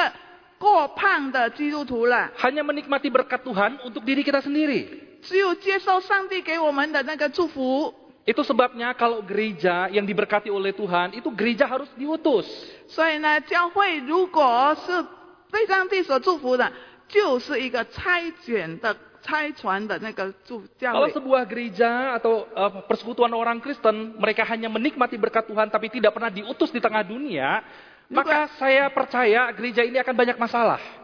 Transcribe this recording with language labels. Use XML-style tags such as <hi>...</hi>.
<zh>那么久而久之，我们就会变成一个过胖的基督徒了。</zh> <id>Hanya menikmati berkat Tuhan untuk diri kita sendiri.</id> <zh>只有接受上帝给我们的那个祝福。</zh> <id>Itu sebabnya kalau gereja yang diberkati oleh Tuhan itu gereja harus diutus.</id> <zh>所以呢，教会如果是 被上帝所祝福的，就是一个差遣的差传的那个祝福。</zh> <id>Kalau sebuah gereja atau persekutuan orang Kristen mereka hanya menikmati berkat Tuhan tapi tidak pernah diutus di tengah dunia, maka saya percaya gereja ini akan banyak masalah.</id>